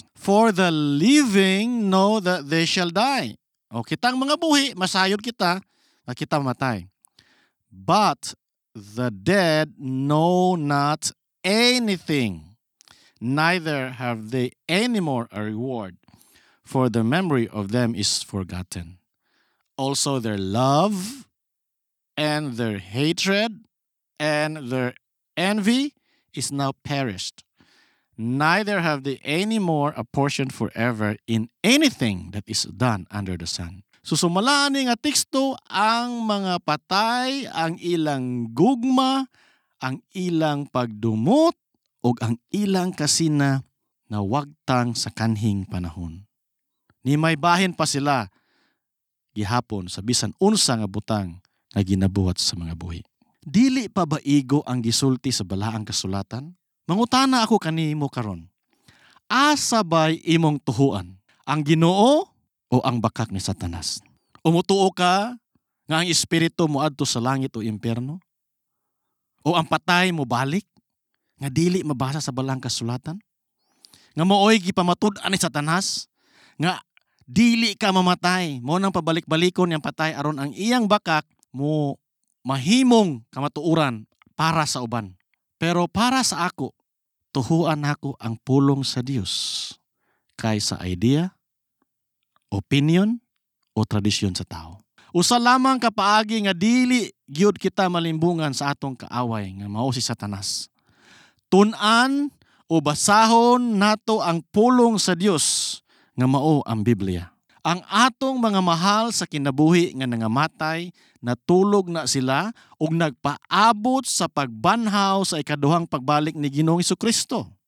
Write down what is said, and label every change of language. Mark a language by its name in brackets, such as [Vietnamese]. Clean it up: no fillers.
[English] For the living know that they shall die. [Cebuano] O kitang mga buhi, masayod kita na kita matay. [English] But the dead know not anything, neither have they any more a reward, for the memory of them is forgotten. Also their love and their hatred and their envy is now perished. Neither have they any more a portion forever in anything that is done under the sun. [Cebuano] So sumalaan nga teksto, ang mga patay, ang ilang gugma, ang ilang pagdumot, o ang ilang kasina na wagtang sa kanhing panahon. Ni may bahin pa sila gihapon sa bisan unsa nga butang na ginabuhat sa mga buhi. Dili pa ba igo ang gisulti sa balaang kasulatan? Mangutana ako kanimo karon. Asa ba'y imong tuhuan? Ang Ginoo o ang bakak ni Satanas? Umutuo ka nga ang espiritu mo adto sa langit o impyerno? O ang patay mo balik nga dili mabasa sa balaang kasulatan? Nga mo'y gipamatud-an ni Satanas nga dili ka mamatay, mo nang pabalik-balikon yang patay aron ang iyang bakak mo mahimong kamatuoran para sa uban. Pero para sa ako, tuhuan ako ang pulong sa Dios kaysa idea, opinion o tradisyon sa tao. Usa lamang kapaagi nga dili gyud kita malimbungan sa atong kaaway nga mao si Satanas. Tun-an o basahon nato ang pulong sa Dios nga mao ang Biblia. Ang atong mga mahal sa kinabuhi nga nangamatay, natulog na sila o nagpaabot sa pagbanhaw sa ikaduhang pagbalik ni Ginoong Hesukristo.